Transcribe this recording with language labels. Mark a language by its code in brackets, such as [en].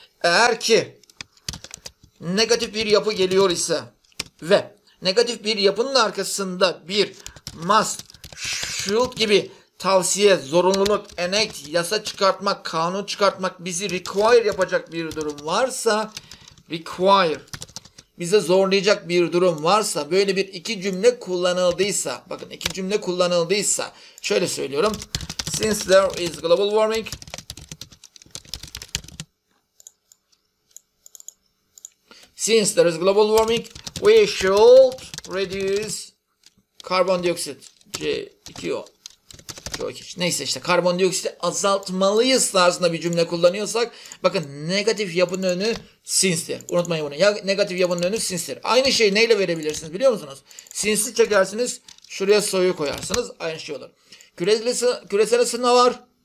[tr] Eğer ki negatif bir yapı geliyor ise ve negatif bir yapının arkasında bir must, should gibi tavsiye, zorunluluk, enact, yasa çıkartmak, kanun çıkartmak bizi require yapacak bir durum varsa, require bize zorlayacak bir durum varsa, böyle bir iki cümle kullanıldıysa, bakın iki cümle kullanıldıysa şöyle söylüyorum. [en] Since there is global warming, since there is global warming, we should reduce carbon dioxide. [tr] C2O. Çok iyi. Neyse işte karbondioksiti azaltmalıyız tarzında bir cümle kullanıyorsak, bakın negatif yapının önü since'dir. Unutmayın bunu. Ya negatif yapının önü since'dir. Aynı şeyi neyle verebilirsiniz biliyor musunuz? Since'i çekersiniz, şuraya soyu koyarsınız, aynı şey olur. Küresel ısınma var.